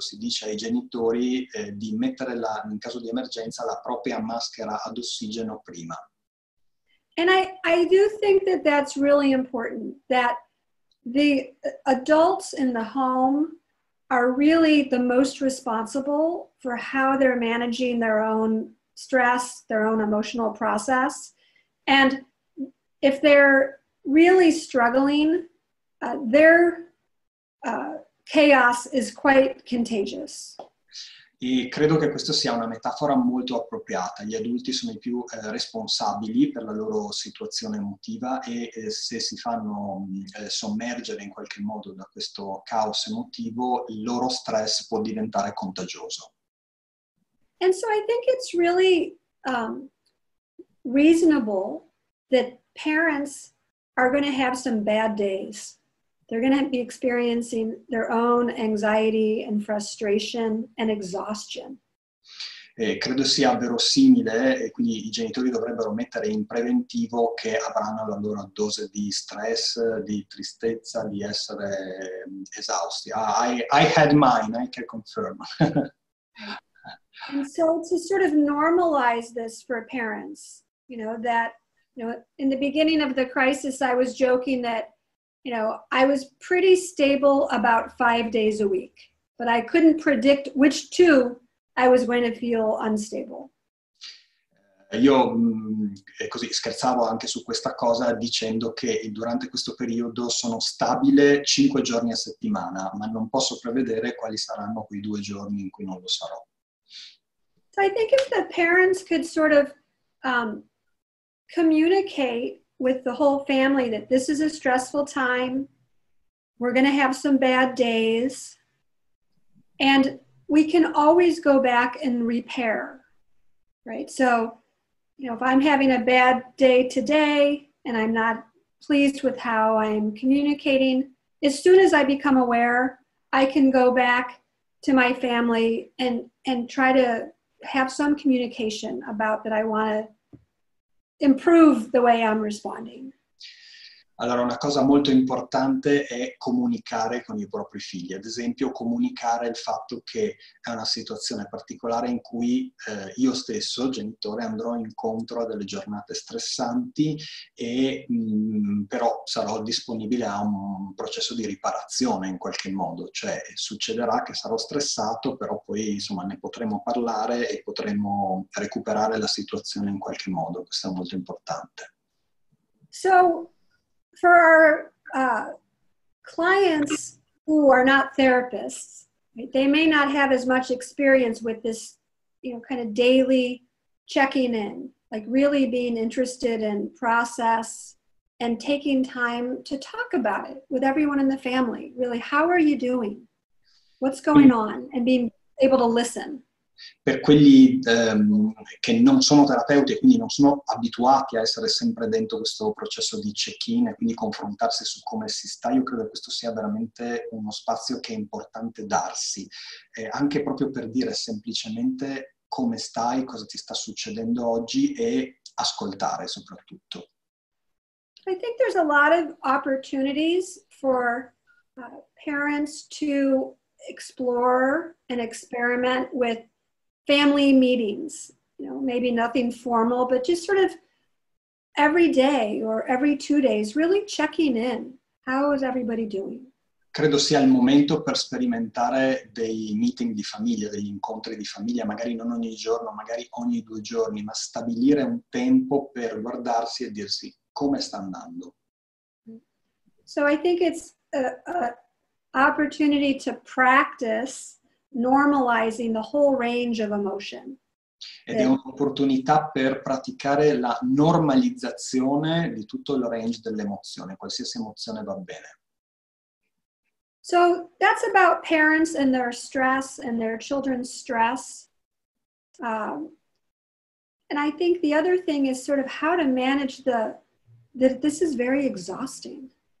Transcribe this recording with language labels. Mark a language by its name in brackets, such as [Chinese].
[Italian] Si dice ai genitori di mettere in caso di emergenza la propria maschera ad ossigeno prima. [English] And I do think that that's really important, that the adults in the home are really the most responsible for how they're managing their own stress, their own emotional process. And if they're really struggling, their chaos is quite contagious. [Italian] E credo che questa sia una metafora molto appropriata. Gli adulti sono i più responsabili per la loro situazione emotiva e se si fanno sommergere in qualche modo da questo caos emotivo, il loro stress può diventare contagioso. [English] And so I think it's really reasonable that parents are going to have some bad days. They're going to be experiencing their own anxiety and frustration and exhaustion. [Italian] Credo sia verosimile, e quindi i genitori dovrebbero mettere in preventivo che avranno la loro dose di stress, di tristezza, di essere esausti. [English] I had mine, I can confirm. And so to sort of normalize this for parents, you know, that, you know, in the beginning of the crisis, I was joking that, you know, I was pretty stable about 5 days a week, but I couldn't predict which two I was going to feel unstable. [Italian] Io così scherzavo anche su questa cosa dicendo che durante questo periodo sono stabile 5 giorni a settimana, ma non posso prevedere quali saranno quei 2 giorni in cui non lo sarò. [English] So I think if the parents could sort of communicate with the whole family that this is a stressful time, we're going to have some bad days, and we can always go back and repair, right? So, you know, if I'm having a bad day today and I'm not pleased with how I'm communicating, as soon as I become aware, I can go back to my family and try to have some communication about that I want to improve the way I'm responding. [Italian] Allora, una cosa molto importante è comunicare con i propri figli. Ad esempio, comunicare il fatto che è una situazione particolare in cui io stesso, genitore, andrò incontro a delle giornate stressanti e però sarò disponibile a un processo di riparazione in qualche modo. Cioè, succederà che sarò stressato, però poi, insomma, ne potremo parlare e potremo recuperare la situazione in qualche modo. Questo è molto importante. [English] So, for our clients who are not therapists, right, they may not have as much experience with this, you know, kind of daily checking in, like really being interested in process and taking time to talk about it with everyone in the family. Really, how are you doing? What's going on? And being able to listen. [Italian] Per quelli che non sono terapeuti e quindi non sono abituati a essere sempre dentro questo processo di check-in e quindi confrontarsi su come si sta, io credo che questo sia veramente uno spazio che è importante darsi, anche proprio per dire semplicemente come stai, cosa ti sta succedendo oggi e ascoltare soprattutto. [English] I think there's a lot of opportunities for parents to explore and experiment with family meetings, you know, maybe nothing formal, but just sort of every day or every 2 days, really checking in. How is everybody doing? [Italian] credo sia il momento per sperimentare dei meeting di famiglia, degli incontri di famiglia, magari non ogni giorno, magari ogni due giorni, ma stabilire un tempo per guardarsi e dirsi come sta andando. [English] So I think it's opportunity to practice normalizing the whole range of emotion. [Italian] Ed è un'opportunità per praticare la normalizzazione di tutto il range dell'emozione, qualsiasi emozione va bene. [English] So that's about parents and their stress and their children's stress. And I think the other thing is sort of how to manage that this is very exhausting.